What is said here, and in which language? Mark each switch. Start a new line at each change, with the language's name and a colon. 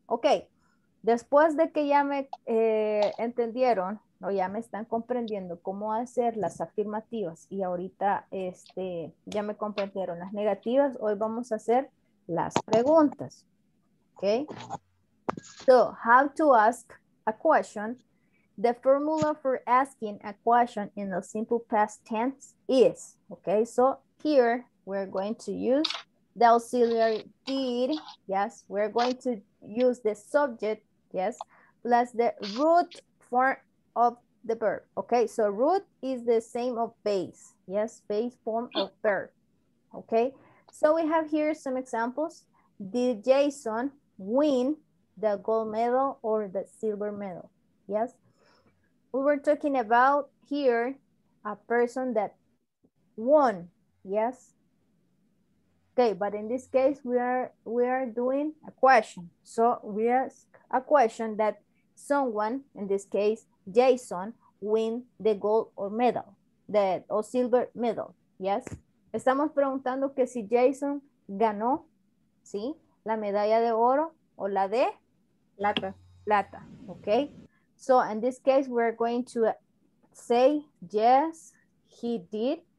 Spanish: Ok, después de que ya me entendieron, o ya me están comprendiendo cómo hacer las afirmativas y ahorita ya me comprendieron las negativas, hoy vamos a hacer las preguntas.
English: Ok. So, how to ask a question. The formula for asking a question in the simple past tense is. Ok. So, here we're going to use the auxiliary did. Yes. We're going to use the subject. Yes. Plus the root form of the verb. Okay, so root is the same of base. Yes, base form of verb. Okay, so we have here some examples. Did Jason win the gold medal or the silver medal? Yes, we were talking about here a person that won. Yes. Okay, but in this case we are doing a question. So we ask a question that someone, in this case Jason, win the gold or medal, o silver medal, yes.
Spanish: Estamos preguntando que si Jason ganó, sí, la medalla de oro o la de plata. Plata, okay.
English: So in this case, we're going to say yes, he did.